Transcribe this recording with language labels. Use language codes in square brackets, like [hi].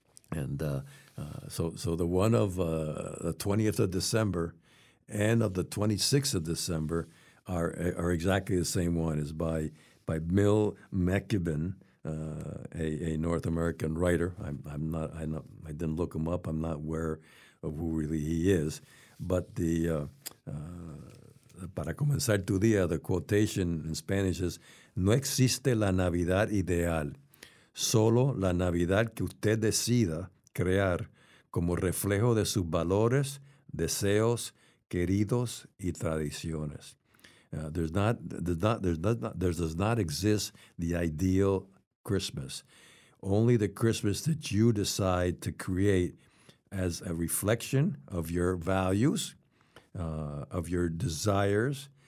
[en] And so the one of the 20th of December and of the 26th of December are exactly the same one. It's by Mill McKibben, a North American writer. I didn't look him up. I'm not aware of who really he is. But the [es] para comenzar tu día, [en] the quotation in Spanish is: [es] No existe la Navidad ideal, solo la Navidad que usted decida crear como reflejo de sus valores, deseos, queridos y tradiciones. [en] There does not exist the ideal Christmas. Only the Christmas that you decide to create as a reflection of your values, of your desires,